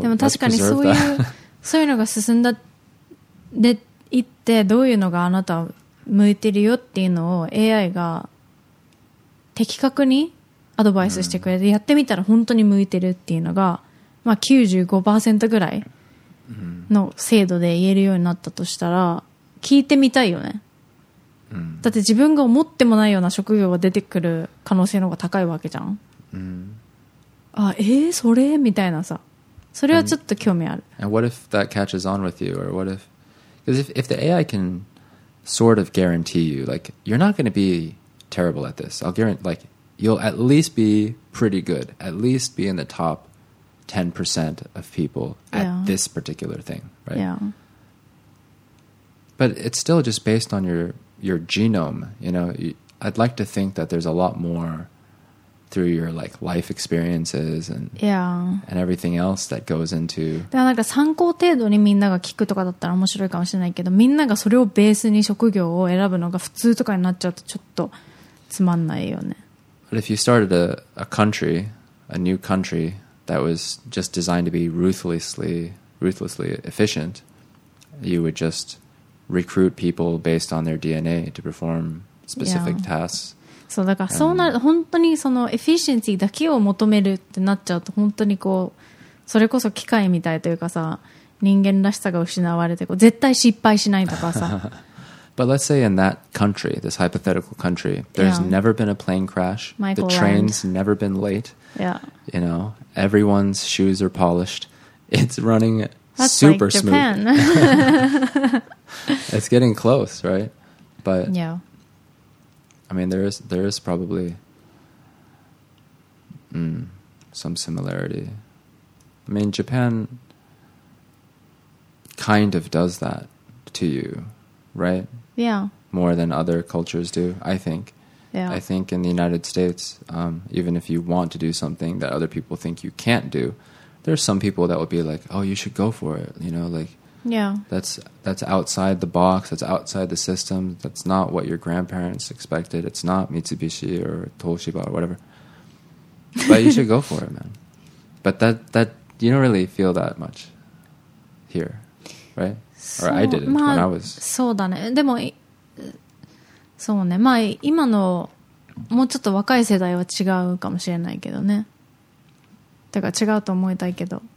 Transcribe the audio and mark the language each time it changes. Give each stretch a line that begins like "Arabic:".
Japanese: でも確かにそういう、そういうのが進んだでいって、どういうのがあなた向いてるよっていうのを AI が的確にアドバイスしてくれて、うん、やってみたら本当に向いてるっていうのが、まあ 95% ぐらいの精度で言えるようになったとしたら、聞いてみたいよね。だって自分が思ってもないような職業が出てくる可能性の方が高いわけじゃん、うん、あ、それみたいなさ、それはちょっと興味ある。
English: And what if that catches on with you? Or what if, because if the AI can sort of guarantee you, like, you're not going to be terrible at this, I'll guarantee, like, you'll at least be pretty good, at least be in the top 10% of people at yeah. this particular thing, right? Yeah. But it's still just based on your genome, you know, I'd like to think that there's a lot more through your like life experiences and yeah. and everything else that goes into.
Japanese: でもなんか参考程度にみんなが聞くとかだったら面白いかもしれないけど、みんながそれをベースに職業を選ぶのが普通とかになっちゃうとちょっとつまんないよね。
English: But if you started a country, a new country that was just designed to be ruthlessly efficient, you would just recruit people based on their DNA to perform specific yeah. tasks.
Japanese: そうだから、そうなる、本当にそのエフィシエンシーだけを求めるってなっちゃうと、本当にこうそれこそ機械みたいというかさ、人間らしさが失われて、こう絶対失敗しないとかさ。
English: But let's say in that country, this hypothetical country, there's yeah. never been a plane crash. Michael the train's Land. Never been late. Yeah. You know, everyone's shoes are polished. It's running That's super like smooth. Japan. It's getting close, right? But yeah. I mean, there is probably some similarity. I mean, Japan kind of does that to you, right? Yeah. More than other cultures do, I think. Yeah. I think in the United States, even if you want to do something that other people think you can't do, there's some people that would be like, oh, you should go for it, you know, like, yeah. That's outside the box, that's outside the system, that's not what your grandparents expected, it's not Mitsubishi or Toshiba or whatever. But you should go for it, man. But that you don't really feel that much here, right? Or I didn't
Japanese: まあ、
English: when I was...
Japanese: そうだね。でも、そうね。まあ、今の、もうちょっと若い世代は違うかもしれないけどね。だから違うと思いたいけど。